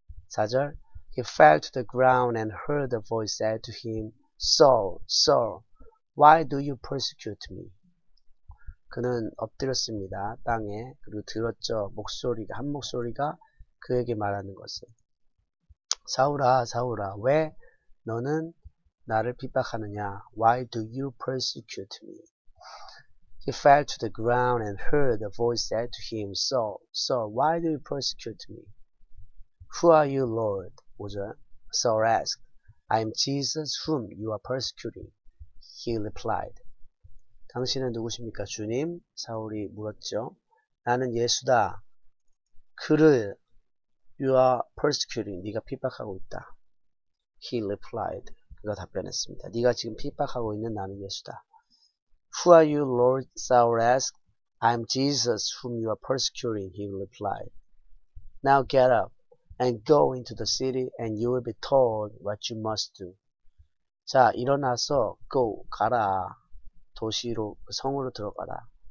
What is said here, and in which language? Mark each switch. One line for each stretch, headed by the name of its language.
Korean: 4절,
English: he fell to the ground and heard a voice say to him, Saul, Saul, why do you persecute me?
Korean: 그는 엎드렸습니다. 땅에. 그리고 들었죠. 목소리가, 한 목소리가 그에게 말하는 것을. 사울아, 사울아, 왜 너는 나를 핍박하느냐?
English: Why do you persecute me? He fell to the ground and heard a voice say to him, Saul, Saul, why do you persecute me? Who are you, Lord?
Korean: 5절.
English: Saul asked, I am Jesus whom you are persecuting. He replied,
Korean: 당신은 누구십니까? 주님, 사울이 물었죠. 나는 예수다. 그를,
English: you are persecuting.
Korean: 네가 핍박하고 있다.
English: He replied,
Korean: 그가 답변했습니다. 네가 지금 핍박하고 있는 나는 예수다.
English: Who are you, Lord? Saul asked. I am Jesus, whom you are persecuting, he replied. Now get up and go into the city, and you will be told what you must do.
Korean: 자, 일어나서 go, 가라. 도시로, 성으로 들어가라.